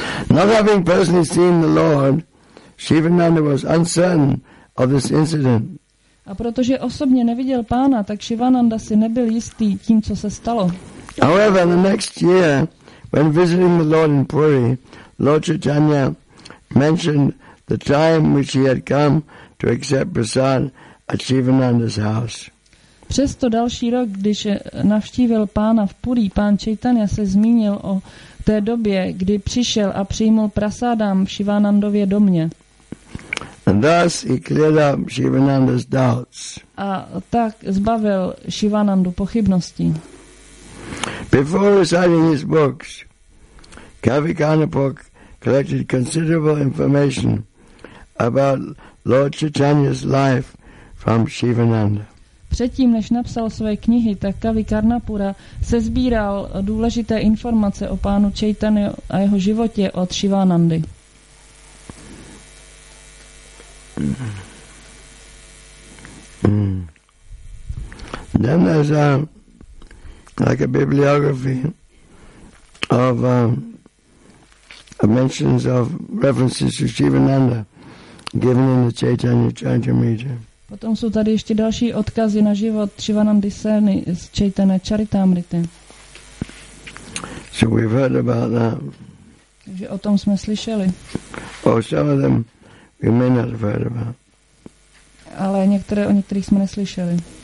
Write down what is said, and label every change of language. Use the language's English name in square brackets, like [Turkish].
[English] Not having personally seen the Lord, Sivananda was uncertain of this incident. [Czech] A protože osobně neviděl pána, tak Sivananda si nebyl jistý tím, co se stalo. [English] However, the next year, when visiting the Lord in Puri, Lord Chaitanya mentioned the time which he had come to accept prasad at Sivananda's house. [Czech] Přesto další rok, když navštívil pána v Puri, pán Chaitanya se zmínil o té době, kdy přišel a přijmul prasádám v Sivanandově domě. [English] And thus he cleared up Sivananda's doubts. [Czech] A tak zbavil Sivanandu pochybností. [English] Before reciting his books, Kavi Kanapok collected considerable information about Lord Chaitanya's life from Sivananda. [Czech] Předtím, než napsal své knihy, tak Kavi Karnapura sesbíral důležité informace o pánu Chaitanyu a jeho životě od Sivanandy. [English] Then there's like a bibliography of mentions of references to Sivananda given in the Chaitanya Charitamrita. [Czech] Potom jsou tady ještě další odkazy na život Sivanandy Sény z Chaitanya Charitamrity. [English] So we've heard about that. [Czech] Takže o tom jsme slyšeli. [English] Oh, some of them we may not have heard about. [Czech] Ale některé, o některých jsme neslyšeli.